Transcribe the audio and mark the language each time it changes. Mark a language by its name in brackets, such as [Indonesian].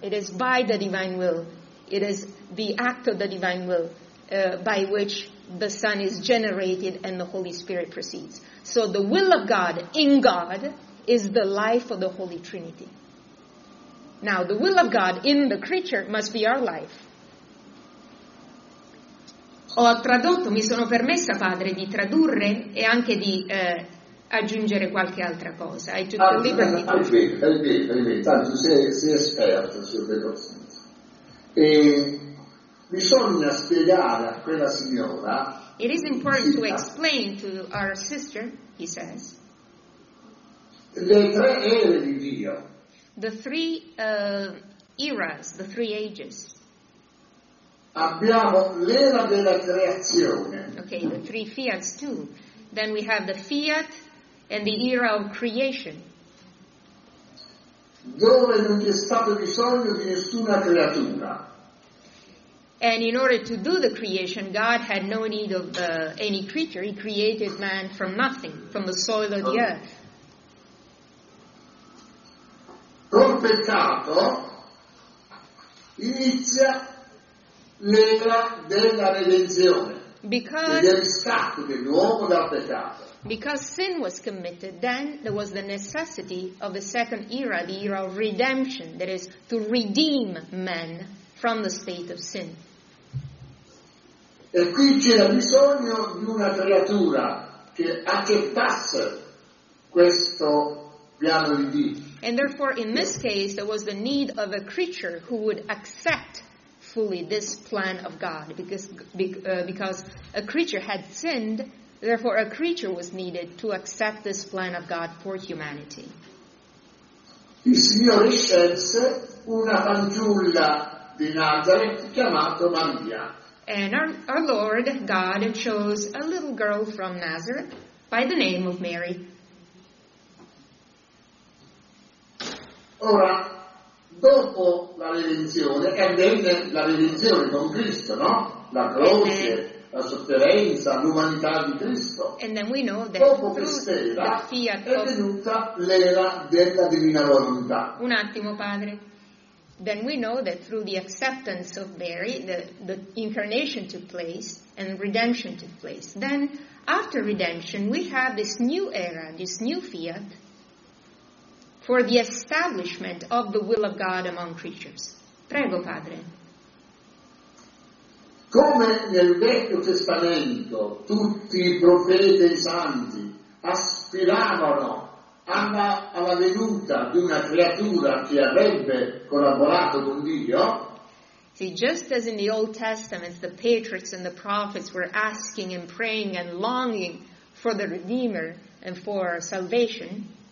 [English] It is by the divine will, it is the act of the divine will by which the Son is generated and the Holy Spirit proceeds. So the will of God in God is the life of the Holy Trinity. Now, the will of God in the creature must be our life. [Italian] Ho tradotto, mi sono permessa, Padre, di tradurre e anche di aggiungere qualche altra cosa. I took the liberty. Tanto sei esperto su questo. E bisogna spiegare a quella signora. [English] It is important to explain to our sister, he says. [Italian] Le tre ere di Dio. [English] The three eras, the three ages. [Italian] Abbiamo l'era della creazione. [English] Okay, the three fiats too. Then we have the fiat and the era of creation. [Italian] Dove non c'è stato bisogno di nessuna creatura. [English] And in order to do the creation, God had no need of any creature. He created man from nothing, from the soil of the earth. [Italian] Col peccato inizia l'era della redenzione. [English] Because [Italian] il riscatto dell'uomo dal peccato. [English] Because sin was committed, then there was the necessity of the second era, the era of redemption, that is, to redeem men from the state of sin. [Italian] E qui c'era bisogno di una creatura che accettasse questo piano di Dio. [English] And therefore, in this case, there was the need of a creature who would accept fully this plan of God. Because a creature had sinned, therefore a creature was needed to accept this plan of God for humanity. [Italian] Il Signore scelse una fanciulla di Nazareth chiamata Maria. [English] And our Lord God chose a little girl from Nazareth by the name of Mary. [Italian] Ora, dopo la redenzione, e avvenne la redenzione con Cristo, no? La croce, [English] then, [Italian] la sofferenza, l'umanità di Cristo. [English] And then we know that [Italian] dopo quest'era è venuta l'era della divina volontà. Un attimo, Padre. [English] Then we know that through the acceptance of Mary, the incarnation took place and redemption took place. Then, after redemption, we have this new era, this new fiat, for the establishment of the will of God among creatures. [Italian] Prego, Padre. Come nel Vecchio Testamento tutti i profeti e i santi aspiravano alla venuta di una creatura che avrebbe collaborato con Dio. [English] See, just as in the Old Testament the patriarchs and the prophets were asking and praying and longing for the Redeemer and for salvation,